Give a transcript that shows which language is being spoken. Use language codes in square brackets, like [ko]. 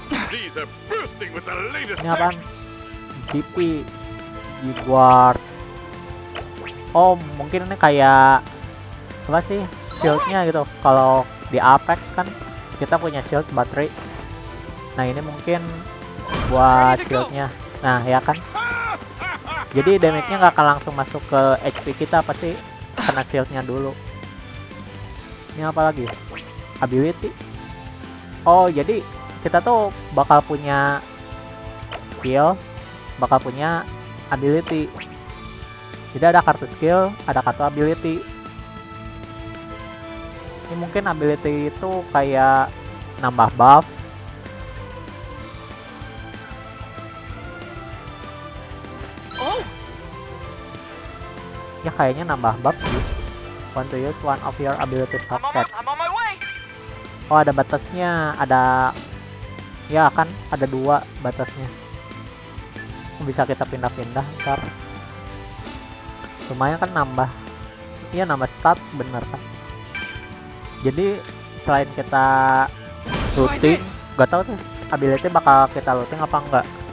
[en] These are bursting with the latest. [id] Ini apa? GP reward. Oh, mungkin ini kayak apa sih shieldnya gitu. Kalau di Apex kan kita punya shield baterai. Nah ini mungkin buat shieldnya. Nah ya kan. Jadi damage-nya nggak akan langsung masuk ke HP kita, pasti kena shieldnya dulu. Ini apa lagi? Ability. Oh, jadi kita tuh bakal punya skill, bakal punya ability. Jadi ada kartu skill, ada kartu ability. Ini mungkin ability itu kayak nambah buff. Oh. Ya kayaknya nambah buff sih. [en] Want to use one of your ability socket. [id] Oh, ada batasnya, ada ya kan, ada dua batasnya. Bisa kita pindah-pindah ntar. Lumayan kan nambah. Iya, nambah stat bener kan. Jadi selain kita looting, gak tau tuh ability bakal kita looting apa enggak.